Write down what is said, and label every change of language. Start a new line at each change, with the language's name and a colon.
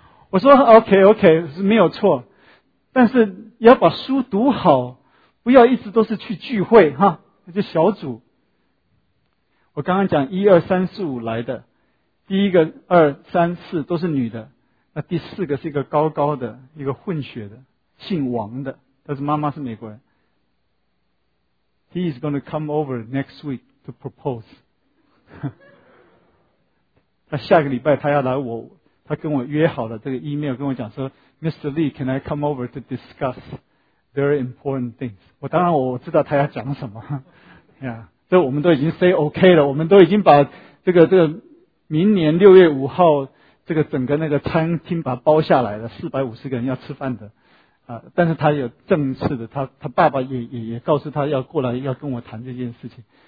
Chinese: 我说 OK 是没有错，但是也要把书读好，不要一直都是去聚会哈，那就小组。我刚刚讲一二三四五来的，第一个二三四都是女的，那第四个是一个高高的，一个混血的，姓王的，但是妈妈是美国人。
English: He is going to come over next week to propose.
Chinese: 他下个礼拜他要来我，他跟我约好了这个 email 跟我讲说 Mr.
English: Lee, can I come over to discuss very important things?
Chinese: 我当然我知道他要讲什么。Yeah, 这我们都已经 say OK 了，我们都已经把这个明年6月5号这个整个那个餐厅把它包下来了，450个人要吃饭的。但是他有正式的，他爸爸也告诉他要过来要跟我谈这件事情。